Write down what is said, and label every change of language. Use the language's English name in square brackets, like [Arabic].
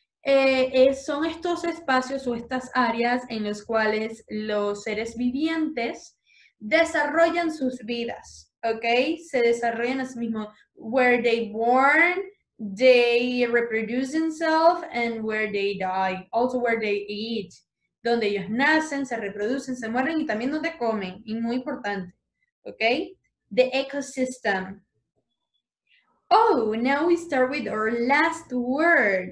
[Spanish] Son estos espacios o estas áreas en los cuales los seres vivientes desarrollan sus vidas, okay? Se desarrollan a sí mismos. [English] Where they born, they reproduce themselves, and where they die, also where they eat. [Spanish] Donde ellos nacen, se reproducen, se mueren y también donde comen. Y muy importante, okay? [English] The ecosystem. Oh, now we start with our last word.